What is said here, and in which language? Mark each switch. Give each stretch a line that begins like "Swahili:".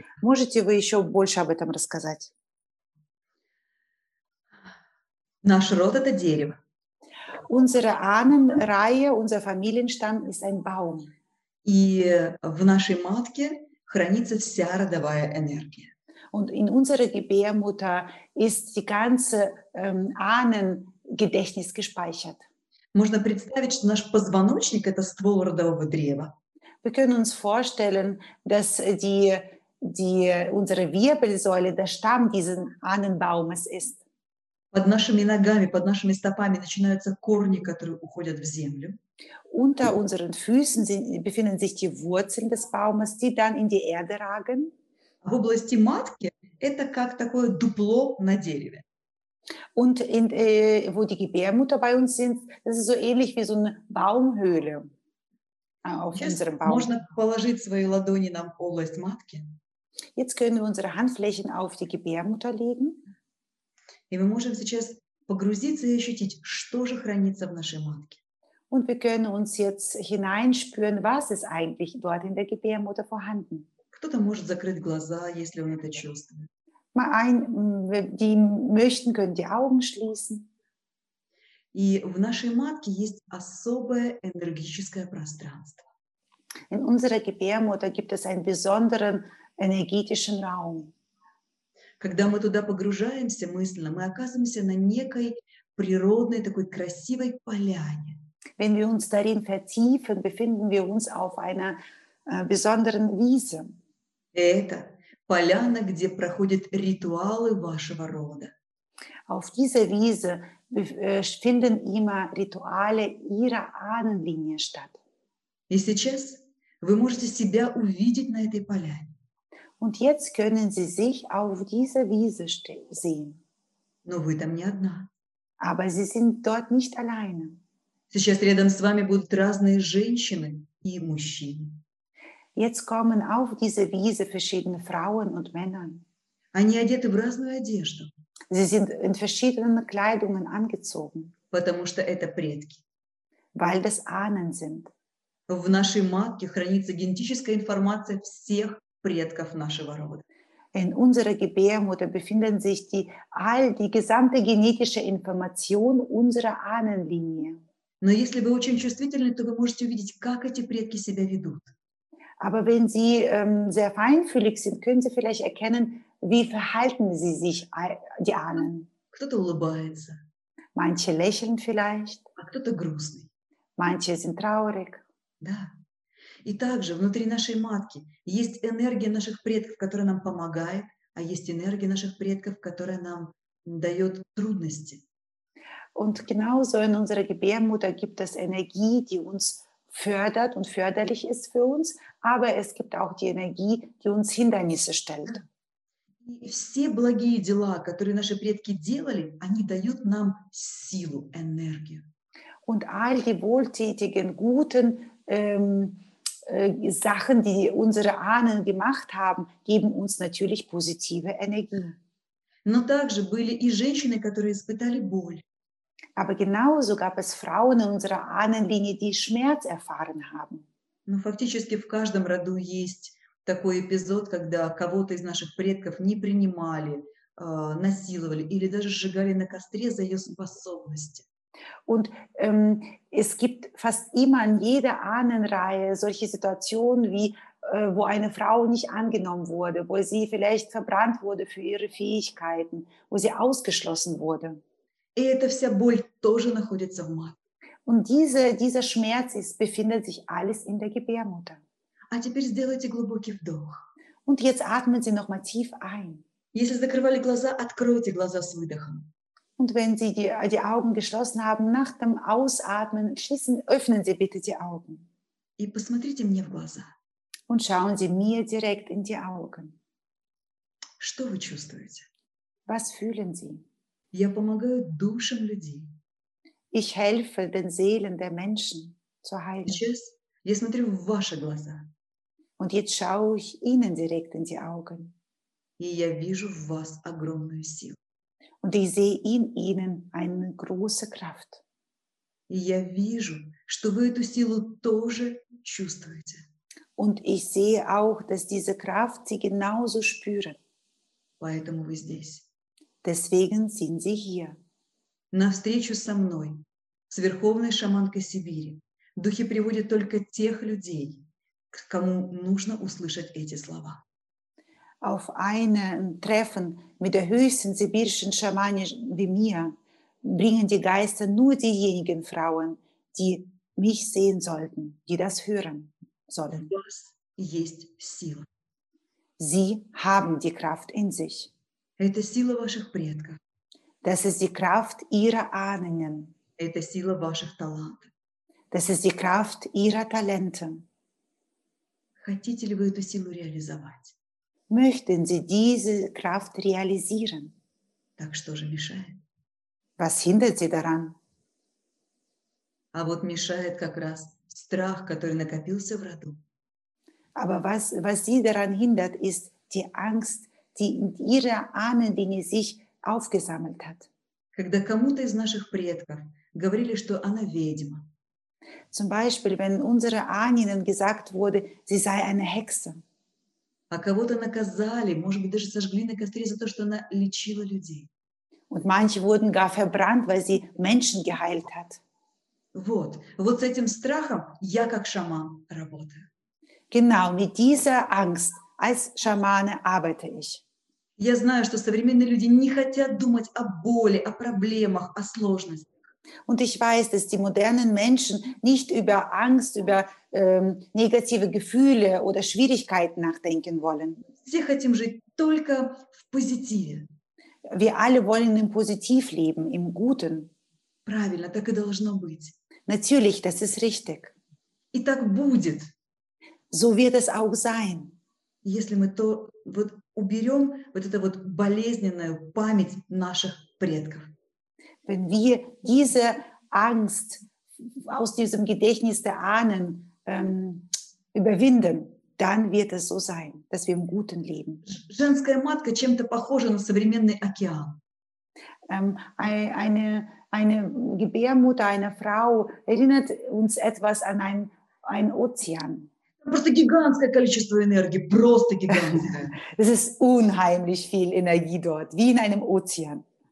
Russian: Можете вы еще больше об этом рассказать? Наш род – это дерево.
German: Unsere Ahnenreihe, unser Familienstamm ist ein Baum.
Russian: И в нашей матке хранится вся родовая энергия.
German: Und in unserer Gebärmutter ist die ganze Ahnengedächtnis gespeichert.
Russian: Можно представить, что наш позвоночник – это ствол родового древа.
German: Wir können uns vorstellen, dass unsere Wirbelsäule, der Stamm dieses Ahnenbaumes ist.
Russian: Под нашими ногами, под нашими стопами начинаются корни, которые уходят в землю.
German: Unter unseren Füßen befinden sich die Wurzeln des Baumes, die dann in die Erde ragen.
Russian: В области матки это как такое дупло на дереве.
German: Und in, wo die Gebärmutter bei uns sind, das ist so ähnlich wie so eine Baumhöhle auf unserem Baum.
Russian: Можно положить свои ладони на область матки.
German: Jetzt können wir unsere Handflächen auf die Gebärmutter legen.
Russian: И мы можем сейчас погрузиться и ощутить, что же хранится в нашей матке.
German: Und wir können uns jetzt hineinspüren, was ist eigentlich dort in der Gebärmutter vorhanden.
Russian: Кто-то может закрыть глаза, если он это чувствует.
German: Die möchten können die Augen schließen.
Russian: И в нашей матке есть особое энергетическое пространство.
German: In unserer Gebärmutter gibt es einen besonderen energetischen Raum.
Russian: Когда мы туда погружаемся мысленно, мы оказываемся на некой природной, такой красивой поляне.
German: Wenn wir uns darin vertiefen, befinden wir uns auf einer besonderen Wiese.
Russian: Это поляна, где проходят ритуалы вашего рода.
German: Auf dieser Wiese finden immer Rituale ihrer Ahnenlinie statt.
Russian: И сейчас вы можете себя увидеть на этой поляне.
German: Und jetzt können Sie sich auf dieser Wiese sehen.
Russian: Но вы там не одна.
German: Aber Sie sind dort nicht alleine.
Russian: Сейчас рядом с вами будут разные женщины и мужчины.
German: Jetzt kommen auf diese Wiese verschiedene Frauen und Männer.
Russian: Они одеты в разную одежду.
German: Sie sind in verschiedenen Kleidungen angezogen.
Russian: Потому что это предки.
German: Weil das Ahnen sind.
Russian: В нашей матке хранится генетическая информация всех предков нашего рода.
German: In unserer Gebärmutter befinden sich die gesamte genetische Information unserer Ahnenlinie.
Russian: Но если вы очень чувствительны, то вы можете увидеть, как эти предки себя ведут.
German: Aber wenn Sie sehr feinfühlig sind, können Sie vielleicht erkennen, wie verhalten sie sich, die Ahnen.
Russian: Кто-то улыбается.
German: Manche lächeln vielleicht.
Russian: А кто-то грустный.
German: Manche sind traurig.
Russian: Да. И также внутри нашей матки есть энергия наших предков, которая нам помогает, а есть энергия наших предков, которая нам дает трудности.
German: Und genauso in unserer Gebärmutter gibt es Energie, die uns fördert und förderlich ist für uns, aber es gibt auch die Energie, die uns Hindernisse stellt.
Russian: И все благие дела, которые наши предки делали, они дают нам силу, энергию.
German: Und all die wohltätigen, guten Sachen, die unsere Ahnen gemacht haben, geben uns natürlich positive Energie.
Russian: Но также были и женщины, которые испытали боль.
German: Aber genauso gab es Frauen in unserer Ahnenlinie, die Schmerz erfahren haben.
Russian: Но фактически в каждом роду есть такой эпизод, когда кого-то из наших предков не принимали, насиловали или даже сжигали на костре за ее способности.
German: Und es gibt fast immer in jeder Ahnenreihe solche Situationen, wie wo eine Frau nicht angenommen wurde, wo sie vielleicht verbrannt wurde für ihre Fähigkeiten, wo sie ausgeschlossen wurde. Und dieser Schmerz befindet sich alles in der Gebärmutter.
Russian: А теперь сделайте глубокий вдох.
German: Und jetzt atmen Sie nochmal tief ein.
Russian: Если закрывали глаза, откройте глаза с выдохом.
German: Und wenn Sie die Augen geschlossen haben, nach dem Ausatmen schließen, öffnen Sie bitte die Augen.
Russian: И посмотрите мне в глаза.
German: Und schauen Sie mir direkt in die Augen.
Russian: Что вы чувствуете?
German: Was fühlen Sie?
Russian: Я помогаю душам людей.
German: Ich helfe den Seelen der Menschen zu heilen.
Russian: Сейчас я смотрю в ваши глаза.
German: Und jetzt schaue ich Ihnen direkt in die Augen.
Russian: И я вижу в вас огромную силу.
German: Und ich sehe in Ihnen eine große Kraft.
Russian: И я вижу, что вы эту силу тоже чувствуете.
German: Und ich sehe auch, dass diese Kraft Sie genauso spüren.
Russian: Поэтому вы здесь.
German: Deswegen sind Sie hier.
Russian: На встречу со мной, с Верховной Шаманкой Сибири, духи приводят только тех людей, кому нужно услышать эти слова.
German: Auf einem Treffen mit der höchsten sibirischen Schamanin wie mir bringen die Geister nur diejenigen Frauen, die mich sehen sollten, die das hören sollen. Das ist Sie. Sie haben die Kraft in sich.
Russian: Это сила ваших предков.
German: Das ist die Kraft ihrer Ahnen.
Russian: Это сила ваших талантов.
German: Das ist die Kraft ihrer Talente.
Russian: Хотите ли вы эту силу реализовать?
German: Möchten Sie diese Kraft realisieren?
Russian: Так что же мешает?
German: Was hindert Sie daran?
Russian: А вот мешает как раз страх, который накопился в роду.
German: Aber was Sie daran hindert, ist die Angst, die in Ihrer Ahnenlinie sich aufgesammelt hat.
Russian: Когда кому-то из наших предков говорили, что она ведьма.
German: Zum Beispiel, wenn unsere Ahnen gesagt wurde, sie sei eine Hexe.
Russian: А кого-то наказали, может быть, даже сожгли на костре за то, что она лечила людей.
German: Und manche wurden gar verbrannt, weil sie Menschen geheilt hat.
Russian: Вот с этим страхом я как шаман работаю.
German: Genau, mit dieser Angst als Schamane arbeite ich.
Russian: Я знаю, что современные люди не хотят думать о боли, о проблемах, о сложностях.
German: Und ich weiß, dass die modernen Menschen nicht über Angst, über negative Gefühle oder Schwierigkeiten nachdenken wollen. Wir alle wollen im Positiv leben, im Guten.
Russian: Правильно, так и должно быть.
German: Natürlich, das ist richtig.
Russian: И так будет.
German: So wird es auch sein.
Russian: Если мы то, вот, уберем вот это вот болезненную память наших предков.
German: Wenn wir diese Angst aus diesem Gedächtnis der Ahnen überwinden, dann wird es so sein, dass wir im Guten leben.
Russian: Женская матка чем-то похожа на современный океан.
German: Eine Gebärmutter einer Frau erinnert uns etwas an einen Ozean.
Russian: Просто гигантское количество энергии, просто гигантское.
German: Es ist unheimlich viel Energie dort, wie in einem Ozean.